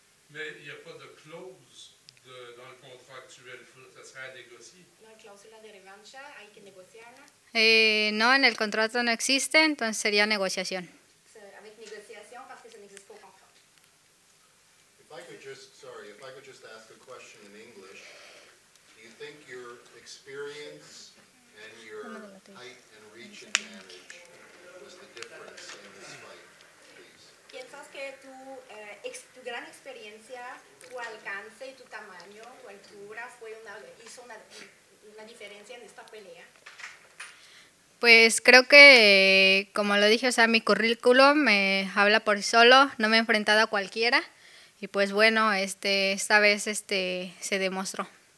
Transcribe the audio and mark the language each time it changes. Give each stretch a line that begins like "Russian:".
French: Mais il n'y a pas de clause dans le contrat actuel, ça serait à négocier.
Spanish: La cláusula de revancha, hay que negociarla. No, en el contrato no existe, entonces sería negociación.
French: Avec négociation, parce que ça n'existe pas au contrat.
English: If I could just ask a question in English, do you think your experience and your height and reach advantage was the difference in this fight?
Spanish: ¿Piensas que tu gran experiencia, tu alcance y tu tamaño, tu altura, hizo una diferencia en esta pelea? Pues creo que, como lo dije, o sea, mi currículum me habla por sí solo, no me he enfrentado a cualquiera, y pues bueno, esta vez se demostró.